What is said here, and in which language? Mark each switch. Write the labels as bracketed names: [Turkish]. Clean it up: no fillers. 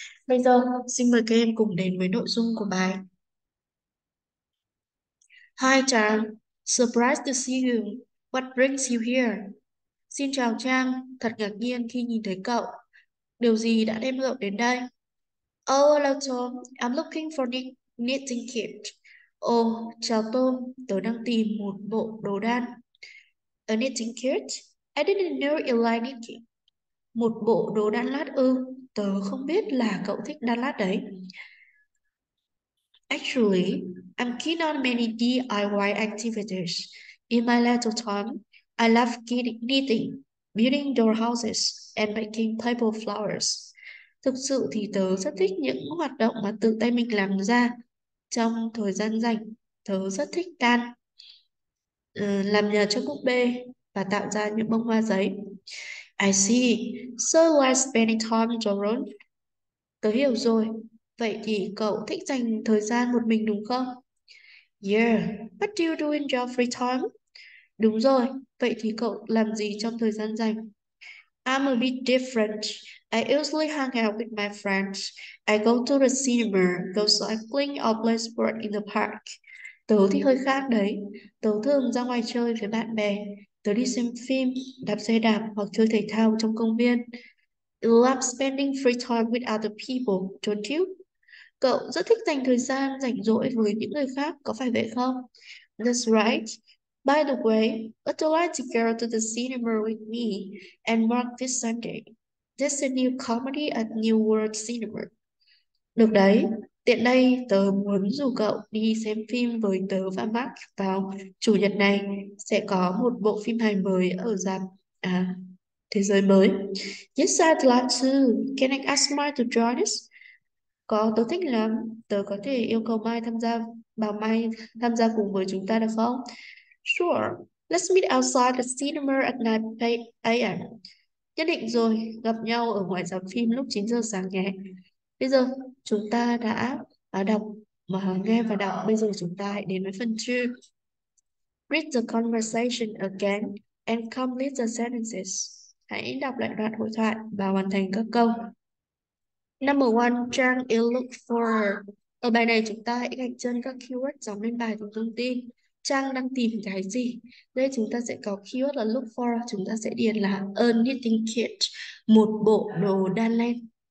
[Vietnamese] Bây giờ xin mời các em cùng đến với nội dung của bài. [English] Hi Trang, surprised to see you. What brings you here? [Vietnamese] Xin chào Trang, thật ngạc nhiên khi nhìn thấy cậu. Điều gì đã đem cậu đến đây? [English] Oh, hello Tom, I'm looking for knitting kit. [Vietnamese] Ồ, chào Tom, tớ đang tìm một bộ đồ đan. [English] A knitting kit? I didn't know you like knitting. [Vietnamese] Một bộ đồ đan lát ư? Tớ không biết là cậu thích đan lát đấy. [English] Actually, I'm keen on many DIY activities. In my leisure time, I love knitting, building doll houses and making paper flowers. [Vietnamese] Thực sự thì tớ rất thích những hoạt động mà tự tay mình làm ra. Trong thời gian rảnh, tớ rất thích đan, làm nhà cho búp bê và tạo ra những bông hoa giấy. [English] I see. So why spending time on your own? [Vietnamese] Tớ hiểu rồi. Vậy thì cậu thích dành thời gian một mình đúng không? [English] Yeah. What do you do in your free time? [Vietnamese] Đúng rồi. Vậy thì cậu làm gì trong thời gian rảnh? [English] I'm a bit different. I usually hang out with my friends. I go to the cinema, go cycling or play sport in the park. [Vietnamese] Tớ thì hơi khác đấy. Tớ thường ra ngoài chơi với bạn bè. Tớ đi xem phim, đạp xe đạp hoặc chơi thể thao trong công viên. [English] Love spending free time with other people, don't you? [Vietnamese] Cậu rất thích dành thời gian rảnh rỗi với những người khác, có phải vậy không? [English] That's right. By the way, would you like to go to the cinema with me and Mark this Sunday? There's a new comedy at New World Cinema. [Vietnamese] Được đấy, Tiện đây, tớ muốn rủ cậu đi xem phim với tớ và Mark vào chủ nhật này. Sẽ có một bộ phim hài mới ở rạp Thế giới mới. [English] Yes, I'd like to. Can I ask Mark to join us? [Vietnamese] Có, tớ thích lắm. Tớ có thể yêu cầu Mai tham gia, bảo Mai tham gia cùng với chúng ta được không? [English] Sure. Let's meet outside the cinema at 9 a.m. [Vietnamese] Nhất định rồi, gặp nhau ở ngoài rạp phim lúc 9 giờ sáng nhé. Bây giờ chúng ta đã đọc mà nghe và đọc. Bây giờ chúng ta hãy đến với phần 2. [English] Read the conversation again and complete the sentences. [Vietnamese] Hãy đọc lại đoạn hội thoại và hoàn thành các câu. [English] Number 1, Trang is look for. [Vietnamese] Ở bài này chúng ta hãy gạch chân các keyword giống lên bài của thông tin. Trang đang tìm cái gì? Đây chúng ta sẽ có keyword là look for. Chúng ta sẽ điền là a knitting kit, một bộ đồ đan len.